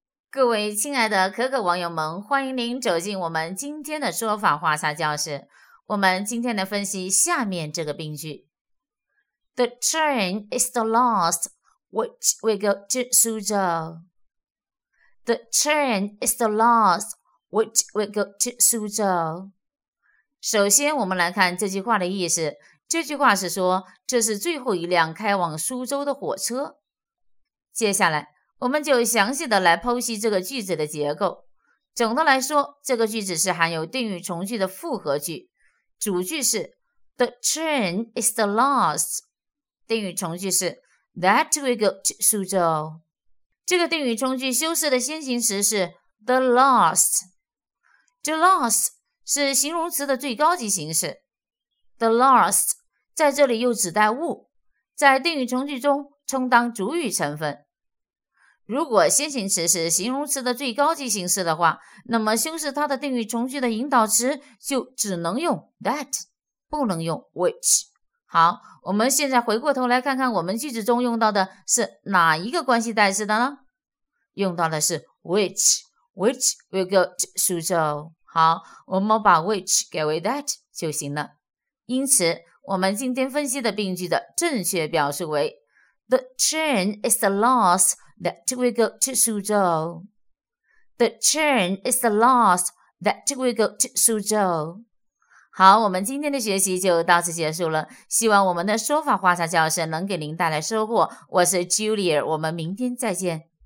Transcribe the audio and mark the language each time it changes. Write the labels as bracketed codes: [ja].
[zh] 各位亲爱的可可网友们，欢迎您走进我们今天的说法话匣教室。我们今天来分析下面这个病句。 [en] The train is the last which we go to Suzhou. The train is the last which we go to Suzhou. [zh] 首先我们来看这句话的意思。这句话是说这是最后一辆开往苏州的火车。接下来我们就详细的来剖析这个句子的结构。总的来说，这个句子是含有定语从句的复合句。主句是 [en] The train is the last. [zh] 定语从句是 [en] That we go to Suzhou. [zh] 这个定语从句修饰的先行词是 The last. The last 是形容词的最高级形式。 The last 在这里又指代物，在定语从句中充当主语成分。如果先行词是形容词的最高级形式的话，那么修饰它的定语从句的引导词就只能用 that， 不能用 which。好，我们现在回过头来看看我们句子中用到的是哪一个关系代词的呢？用到的是 [en] which we go to Suzhou。 [zh] 好，我们把 which 改为 that 就行了。因此，我们今天分析的病句的正确表述为 [en] The train is the last. That we go to Suzhou. The train is the last that we go to Suzhou. [zh] 好，我们今天的学习就到此结束了。希望我们的说法话匣教室能给您带来收获。我是 Julia， 我们明天再见。